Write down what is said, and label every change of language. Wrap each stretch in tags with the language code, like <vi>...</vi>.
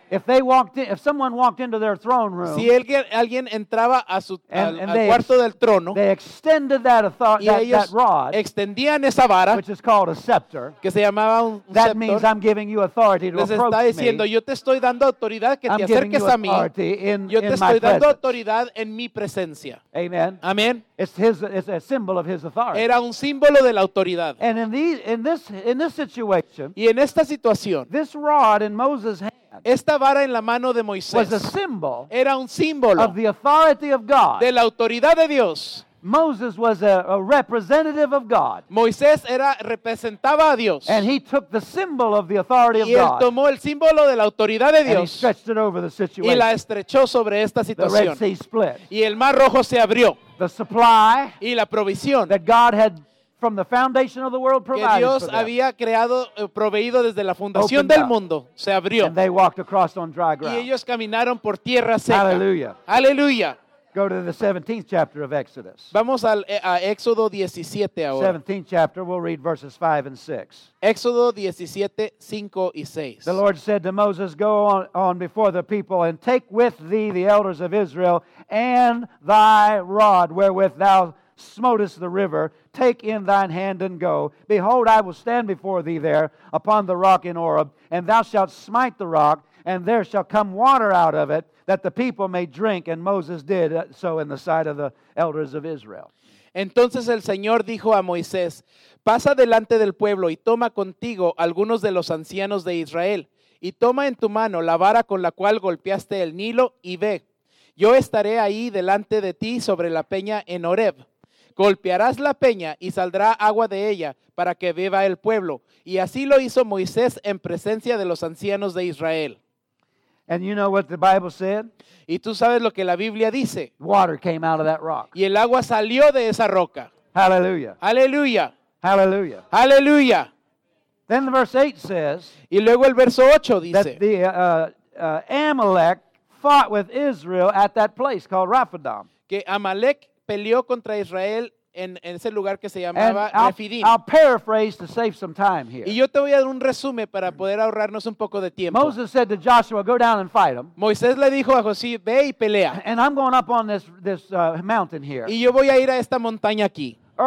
<en>If they walked in, if someone walked into their throne room,</en> <es>si alguien entraba a su al cuarto del trono,</es> <en>they extended that authority, that rod,</en> <es>extendían esa vara,</es> <en>which is called a scepter,</en> <es>que se llamaba un</es> <en>scepter. That means I'm giving you authority to approach me.</en> <es>Les está diciendo, yo te estoy dando autoridad que te acerques a mí.</es> <en>I'm giving you authority in my presence.</en> <es>Yo te estoy dando autoridad en mi presencia. Amen. Amen.</es> <en>It's a symbol of his authority.</en> <es>Era un símbolo de la autoridad.</es> <en>And in this situation,</en> <es>y en esta situación,</es> <en>this rod in Moses' hand.</en> <es>Esta vara en la mano de Moisés</es> <en>was a symbol,</en> <es>era un símbolo</es> <en>of the authority of God.</en> <es>De la autoridad de Dios.</es> <en>Moses was a representative of God.</en> <es>Moisés era representaba a Dios.</es> <en>And he took the symbol of the authority of God.</en> <es>Y él tomó el símbolo de la autoridad de Dios.</es> <en>And he stretched it over the situation.</en> <es>Y la estrechó sobre esta situación.</es> <en>The Red Sea split.</en> <es>Y el Mar Rojo se abrió.</es> <en>The supply.</en> <es>Y la provisión.</es> <en>That God had from the foundation of the world provided.</en> <es>Que Dios había creado, proveído desde la fundación del mundo, se abrió.</es> <en>And they walked across on dry ground.</en> <es>Y ellos caminaron por tierra seca. Hallelujah. Hallelujah.</es> <en>Go to the 17th chapter of Exodus.</en> <es>Vamos a Éxodo 17 ahora.</es> <en>17th chapter, we'll read verses 5 and 6.</en> <es>Éxodo 17, 5 y 6.</es> <en>The Lord said to Moses, go on before the people and take with thee the elders of Israel and thy rod wherewith thou smotest the river, take in thine hand and go. Behold, I will stand before thee there upon the rock in Oreb, and thou shalt smite the rock, and there shall come water out of it, that the people may drink. And Moses did so in the sight of the elders of Israel.</en> <es>Entonces el Señor dijo a Moisés, pasa delante del pueblo y toma contigo algunos de los ancianos de Israel, y toma en tu mano la vara con la cual golpeaste el Nilo, y ve, yo estaré ahí delante de ti sobre la peña en Oreb. Golpearás la peña y saldrá agua de ella para que beba el pueblo. Y así lo hizo Moisés en presencia de los ancianos de Israel.</es> <en>And you know what the Bible said?</en> <es>Y tú sabes lo que la Biblia dice.</es> <en>Water came out of that rock.</en> <es>Y el agua salió de esa roca. Hallelujah. Hallelujah. Hallelujah. Hallelujah.</es> <en>Then the verse 8 says.</en> <es>Y luego el verso 8 dice.</es> <en>That the Amalek fought with Israel at that place called Rephidim.</en> <es>Que Amalek peleó contra Israel en ese lugar que se llamaba Rephidim.</es> <en>I'll paraphrase to save some time here.</en> <es>Y yo te voy a dar un resumen para poder ahorrarnos un poco de tiempo.</es> <en>Moses said to Joshua, go down and fight them.</en> <es>Moisés le dijo a Josué, ve y pelea.</es> <en>And I'm going up on this mountain here.</en> <es>Y yo voy a ir a esta montaña aquí.</es>